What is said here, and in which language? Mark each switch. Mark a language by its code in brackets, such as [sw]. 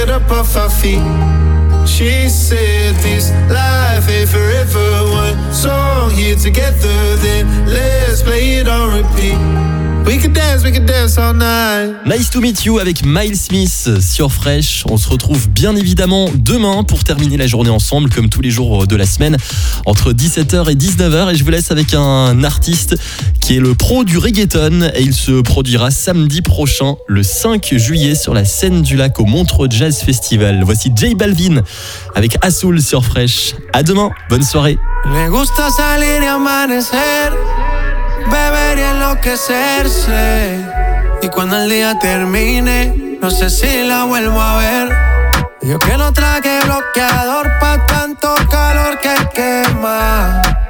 [en] Off our feet. She said, this life ain't forever. One song here together, then let's play it on repeat. We can dance all night. [fr] Nice to meet you avec Miles Smith sur Fresh. On se retrouve bien évidemment demain pour terminer la journée ensemble, comme tous les jours de la semaine, entre 17h et 19h. Et je vous laisse avec un artiste qui est le pro du reggaeton. Et il se produira samedi prochain, le 5 juillet, sur la scène du lac au Montreux Jazz Festival. Voici J Balvin avec Asoul sur Fresh. À demain, bonne soirée. [es] Me gusta salir y amanecer. Beber y enloquecerse. Y cuando el día termine, no sé si la vuelvo a ver. Yo que no traje bloqueador pa' tanto calor que quema.